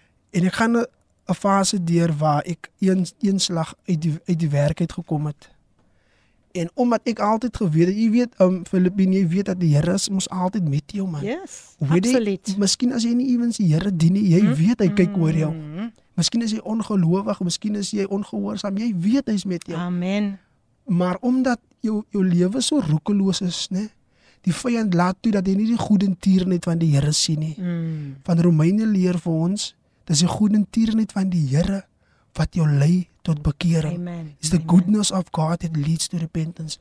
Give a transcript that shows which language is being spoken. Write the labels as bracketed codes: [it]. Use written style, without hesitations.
[af] En ek gaan 'n fase deur waar ek een slag uit die werk uit gekom het. En omdat ek altyd geweet het, jy weet, Filippine, jy weet dat die Here is mos altyd met jou, man. Yes, absoluut. Miskien as jy nie ewens die Here dien nie, jy weet hy kyk oor jou. Miskien is jy ongelowig, miskien is jy ongehoorsaam, jy weet hy is met jou. Amen. Maar omdat jou lewe so roekeloos is, ne, die vyand laat toe dat jy nie die goedertierenheid van die Here sien nie. Van Romeine leer vir ons, dis die goedertierenheid van die Here wat jou lei tot bekering. Amen. [en] Is the goodness of God that leads to repentance.